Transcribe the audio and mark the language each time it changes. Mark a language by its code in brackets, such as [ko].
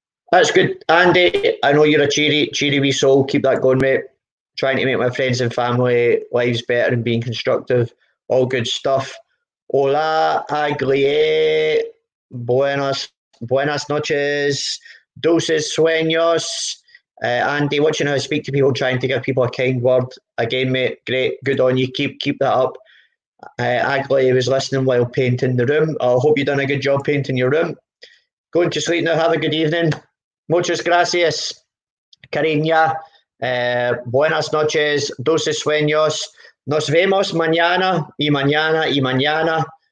[en] That's good. Andy, I know you're a cheery wee soul. Keep that going, mate. Trying to make my friends and family lives better and being constructive. All good stuff. [es] Hola, Aglie, buenas noches, dulces sueños. [en] Andy, watching how I speak to people, trying to give people a kind word. Again, mate, great, good on you, keep that up. Aglie was listening while painting the room. I hope you've done a good job painting your room. Going to sleep now, have a good evening. [es] Muchas gracias, cariña. Buenas noches, dulces sueños. Nos vemos mañana y mañana y mañana.